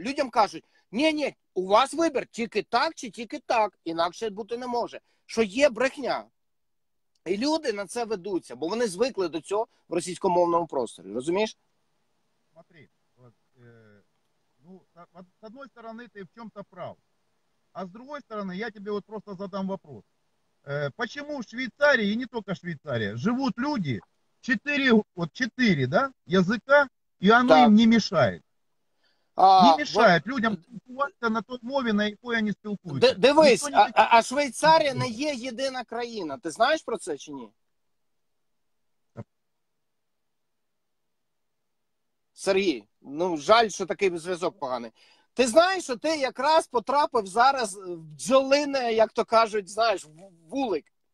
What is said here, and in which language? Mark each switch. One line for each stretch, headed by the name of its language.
Ukrainian: Людям кажуть, ні-ні, у вас вибір тільки так чи тільки так, інакше бути не може. Що є брехня. І люди на це ведуться, бо вони звикли до цього в російськомовному просторі. Розумієш? Смотри, ну, з одної сторони ти в чому-то прав. А з другої сторони я тобі от просто задам вопрос.
Russian: Почему в Швейцарии, и не только в Швейцарии, живут люди, четыре, да, языка, и оно так им не мешает? Не мешает вот людям
Ukrainian: спілкуватися на той мові, на якій они спілкуються. Дивись, а Швейцария не є єдина країна. Ти знаєш про це чи ні? Сергій, ну жаль, що такий зв'язок поганий. Ти знаєш, що ти якраз потрапив зараз в бджолине, як то кажуть, знаєш, вулик.